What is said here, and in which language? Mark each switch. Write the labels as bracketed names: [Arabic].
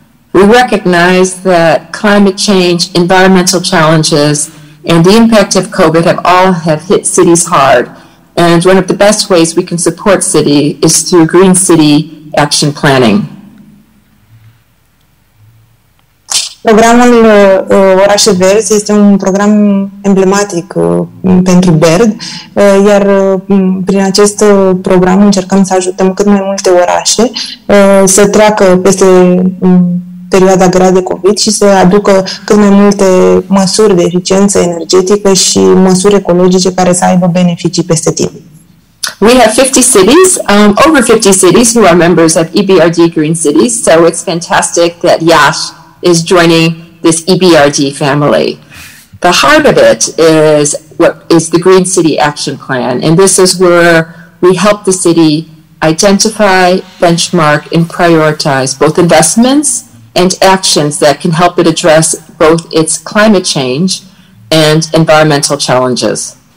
[English] We recognize that climate change, environmental challenges, and the impact of COVID have hit cities hard. And one of the best ways we can support city is through Green City Action Planning. [Romanian] Programul Orașe Verzi este un program emblematic pentru BERD, iar prin acest program încercăm să ajutăm cât mai multe orașe să treacă peste perioada grea de COVID și să aducă cât mai multe măsuri de eficiență energetică și măsuri ecologice care să aibă beneficii peste timp. [English] We have 50 cities, over 50 cities who are members of EBRD Green Cities, so it's fantastic that Iași is joining this EBRD family. The heart of it is what is the Green City Action Plan, and this is where we help the city identify, benchmark, and prioritize both investments and actions that can help it address both its climate change and environmental challenges.